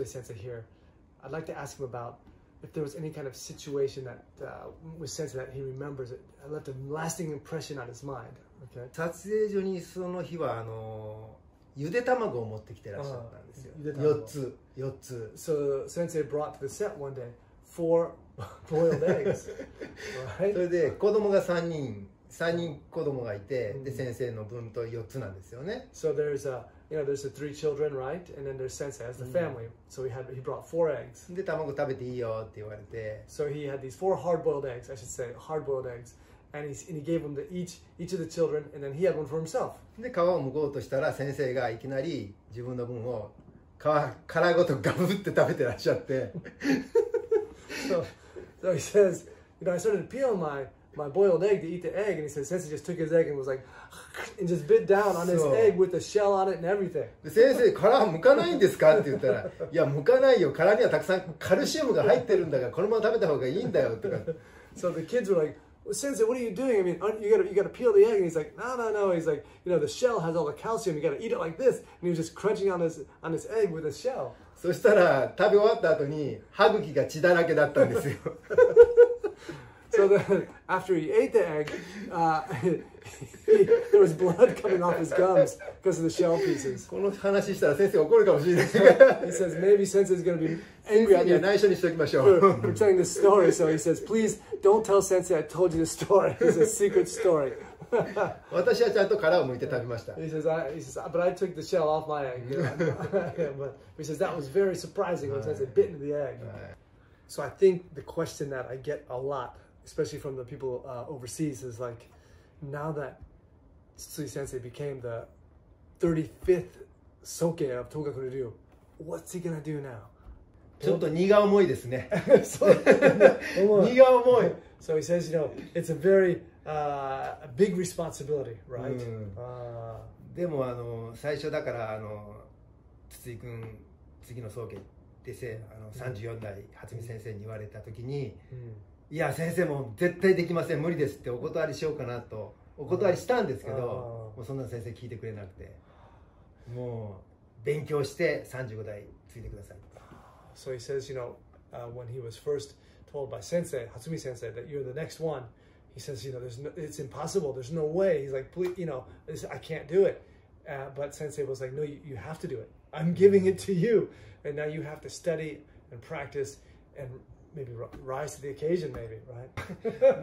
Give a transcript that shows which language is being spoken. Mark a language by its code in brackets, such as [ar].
[en] So Sensei here, I'd like to ask him about if there was any kind of situation that with Sensei that he remembers that left a lasting impression on his mind. Okay. [ja] 撮影所にその日はゆで卵を持ってきてらっしゃったんですよ。 Uh-huh. ゆで卵。4つ。 [en] So, Sensei brought to the set one day, 4 boiled eggs. [ja] Right? それで子供が3人子供がいて、mm-hmm. で先生の分と4つなんですよね。 [en] So, there's a, you know, there's a 3 children, right? And then there's Sensei as the family.、Mm-hmm. So, he brought 4 eggs. [ja] で、卵食べていいよって言われて。 [en] So, he had these 4 hard-boiled eggs, I should say, hard-boiled eggs. And, he gave them to each of the children, and then he had one for himself. [ja] で皮を剥こうとしたら先生がいきなり自分の分を殻ごとガブって食べてらっしゃって。 [en] So he says, you know, I started to peel my boiled egg to eat the egg, and he says, Sensei just took his egg and was like, and just bit down on his egg with the shell on it and everything. [ja] で先生、殻は剥かないんですかって言ったら、いや、剥かないよ。殻にはたくさんカルシウムが入ってるんだから、このまま食べた方がいいんだよとか。 [en] So the kids were like,Sensei, what are you doing? I mean, you gotta peel the egg. And he's like, no. He's like, you know, the shell has all the calcium. You gotta eat it like this. And he was just crunching on his egg with a shell. [ja] そしたら食べ終わった後に歯茎が血だらけだったんですよ。 [en] So then, after he ate the egg, there was blood coming off his gums because of the shell pieces. [ja] この話したら先生怒るかもしれない。 [en] He says, maybe Sensei is going to be angry at you. [ja] 内緒にしておきましょう。 [en] We're telling this story, so he says, please don't tell Sensei I told you this story. It's a secret story. [ja] 私はちゃんと殻を剥いて食べました。 [en] He says, but I took the shell off my egg. But he says, that was very surprising when Sensei bit into the egg. So I think the question that I get a lot,especially from the people overseas, is like, now that Tsutsui Sensei became the 35th Soke of Togaku Ryu, what's he gonna do now? [ja] ちょっと荷が重いですね。荷が重い。 [en] So he says, you know, it's a very big responsibility, right? [ja] でも最初だから Tsutsui 君次の Soke でせ34代初見先生に言われた時に、いや先生も絶対できません無理ですってお断りしようかなとお断りしたんですけど、もうそんな先生聞いてくれなくて、もう勉強して35代ついてください。 [en] So he says, you know, when he was first told by Sensei, Hatsumi Sensei, that you're the next one, he says, you know, it's impossible, there's no way. He's like, please, you know, I can't do it. But Sensei was like, no, you have to do it. I'm giving it to you. And now you have to study and practice andMaybe rise to the occasion, maybe, right?